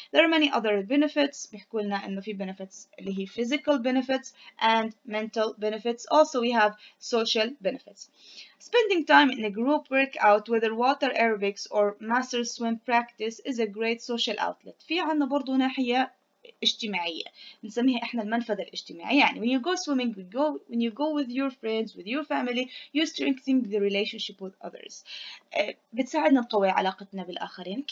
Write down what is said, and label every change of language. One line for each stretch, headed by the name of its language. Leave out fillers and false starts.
English: there are many other benefits.
Arabic: بيحكوا لنا انه في
English: benefits
Arabic: اللي هي
English: physical benefits and mental benefits. also we have social benefits. spending time in a group workout whether water aerobics or master swim practice is a great social outlet.
Arabic: في عنا برضو ناحية اجتماعية نسميها احنا المنفذ الاجتماعي.
English: يعني when you go swimming when you go with your friends with your family you strengthen the relationship with others.
Arabic: بتساعدنا نقوي علاقتنا بالآخرين.